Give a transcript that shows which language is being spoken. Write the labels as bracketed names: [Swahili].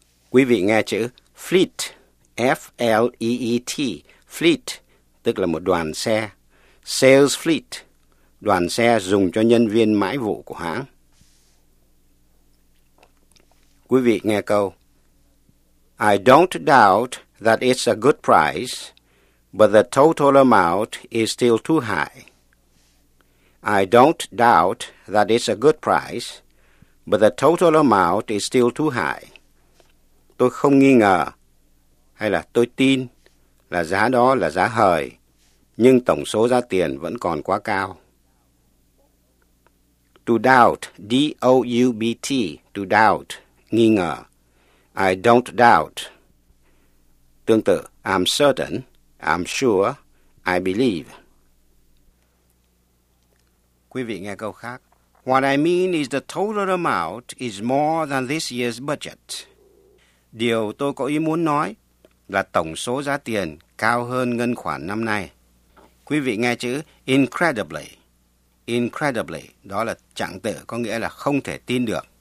[Vietnamese] Quý vị nghe chữ fleet, F-L-E-E-T, fleet, tức là một đoàn xe. Sales fleet, đoàn xe dùng cho nhân viên mãi vụ của hãng. Quý vị nghe câu. [English] I don't doubt that it's a good price, but the total amount is still too high. I don't doubt that it's a good price, but the total amount is still too high. [Vietnamese] Tôi không nghi ngờ, hay là tôi tin là giá đó là giá hời, nhưng tổng số giá tiền vẫn còn quá cao. [English] To doubt, D-O-U-B-T, to doubt, [Vietnamese] nghi ngờ. [English] I don't doubt. [Vietnamese] Tương tự, [English] I'm certain, I'm sure, I believe. [Vietnamese] Quý vị nghe câu khác. [English] What I mean is the total amount is more than this year's budget. [Vietnamese] Điều tôi có ý muốn nói là tổng số giá tiền cao hơn ngân khoản năm nay. Quý vị nghe chữ incredibly. Incredibly, đó là trạng tự có nghĩa là không thể tin được.